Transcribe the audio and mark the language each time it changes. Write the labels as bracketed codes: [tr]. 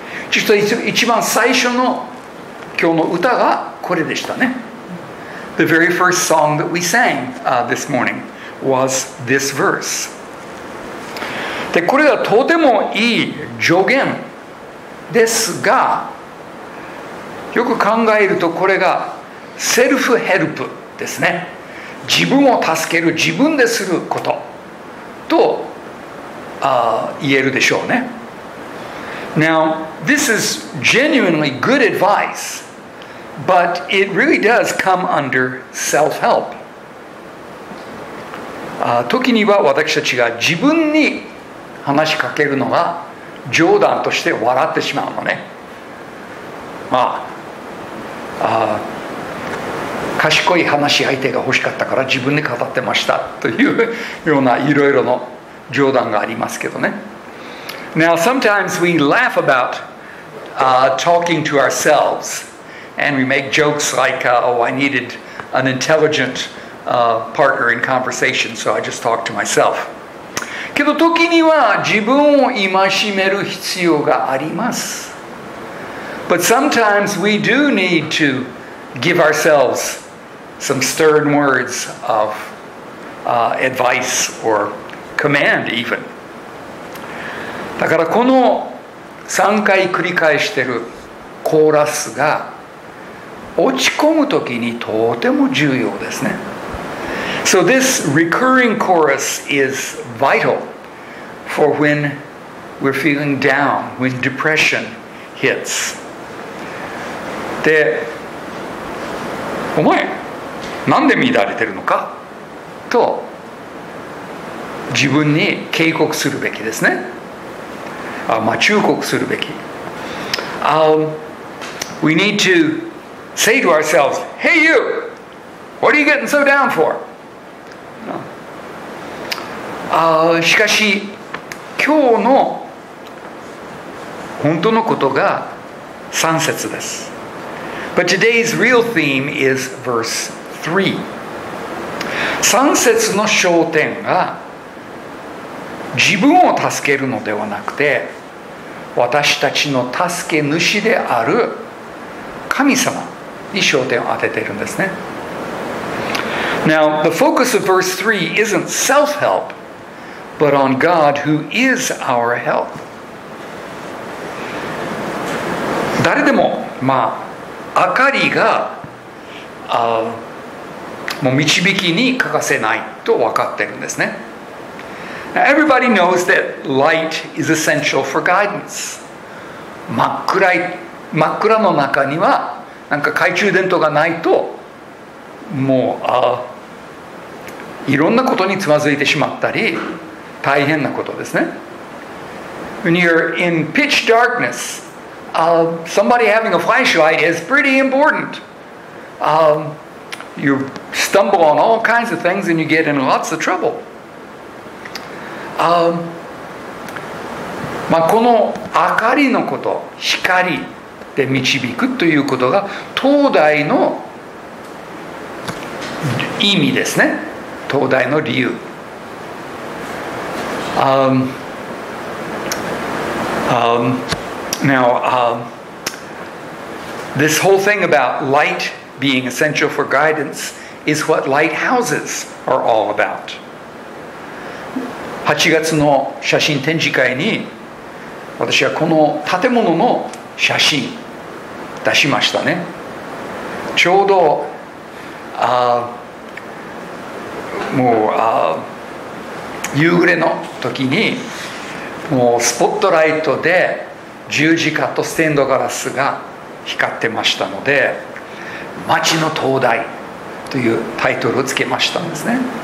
[ja] ちょっと一番最初の今日の歌がこれでしたね。 [en] The very first song that we sang, this morning was this verse. [ja] で、これはとてもいい助言ですが、よく考えるとこれがセルフヘルプですね。自分を助ける、自分ですることと言えるでしょうね。 [en] Now, this is genuinely good advice, but it really does come under self-help. [ja] 時には私たちが自分に話しかけるのが冗談として笑ってしまうのね。まあ、賢い話し相手が欲しかったから自分で語ってましたというようないろいろの冗談がありますけどね。 [en] Now, sometimes we laugh about talking to ourselves, and we make jokes like, oh, I needed an intelligent partner in conversation, so I just talked to myself. [ja] けど時には自分を戒める必要があります。 [en] But sometimes we do need to give ourselves some stern words of advice or command even. [ja] だからこの3回繰り返しているコーラスが落ち込むときにとても重要ですね。 [en] So this recurring chorus is vital for when we're feeling down, when depression hits. [ja] で、お前、なんで乱れてるのかと自分に警告するべきですね。忠告するべき。 [en] We need to say to ourselves, Hey you, what are you getting so down for? [ja] しかし、今日の本当のことが3節です。 [en] But today's real theme is verse 3. [ja] 3節の焦点が自分を助けるのではなくて私たちの助け主である神様に焦点を当てているんですね。 [en] Now, the focus of verse 3 isn't self-help, but on God who is our help. [ja] 誰でも、まあ、明かりが、もう導きに欠かせないと分かっているんですね。 [en] Now, everybody knows that light is essential for guidance. [ja] 真っ暗の中にはなんか懐中電灯がないともう、いろんなことにつまずいてしまったり大変なことですね。 [en] When you're in pitch darkness, somebody having a flashlight is pretty important. You stumble on all kinds of things and you get in lots of trouble. [ja] この明かりのこと、光で導くということが灯台の意味ですね。灯台の理由。 [en] Now, this whole thing about light being essential for guidance is what lighthouses are all about. [ja] 8月の写真展示会に私はこの建物の写真出しましたね。ちょうどもう夕暮れの時にもうスポットライトで十字架とステンドガラスが光ってましたので「町の灯台」というタイトルをつけましたんですね。